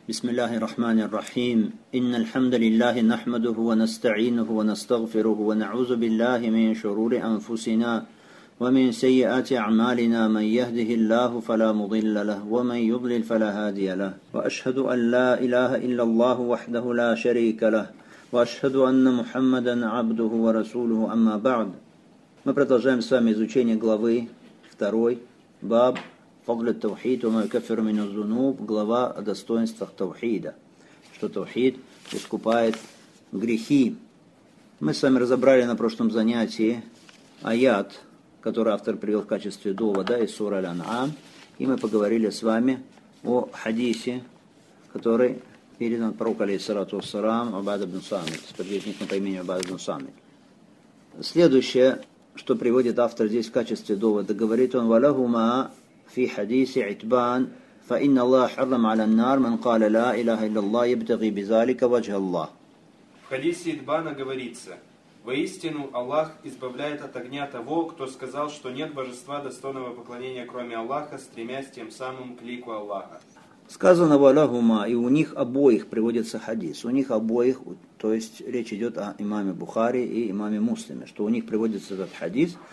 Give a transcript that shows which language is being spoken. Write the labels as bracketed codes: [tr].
[ar] بسم الله الرحمن الرحيم إن الحمد لله نحمده ونستعينه ونستغفره ونعوذ بالله من شرور أنفسنا ومن سيئات أعمالنا من يهده الله فلا مضل له ومن يضلل فلا هادي له وأشهد أن لا إله إلا الله وحده لا شريك له وأشهد أن محمدا عبده ورسوله أما بعد [ru] ما продолжаем с вами изучение главы второй باب Фадлю Таухид ва ма юкаффиру мин аз-зунуб, глава о достоинствах Таухида, что Таухид искупает грехи. Мы с вами разобрали на прошлом занятии аят, который автор привел в качестве довода из сура Аль-Ан'ам, и мы поговорили с вами о хадисе, который передан пророку алейхиссалату вассалам Убада ибн Самит, сподвижником по имени Убада ибн Самит. Следующее, что приводит автор здесь в качестве довода, говорит он, [ar] «Валахума في حديث عتبان فإن الله حرم على النار من قال لا إله إلا الله يبتغي بذلك وجه الله. [ru] В хадисе Итбана говорится: «Воистину Аллах избавляет от огня того, кто сказал, что нет божества достойного поклонения кроме Аллаха, стремясь тем самым к лику Аллаха». Сказано «валахума» и у них обоих приводится хадис. У них обоих, то есть речь идет о имаме Бухари и имаме Муслиме, что у них приводится этот хадис.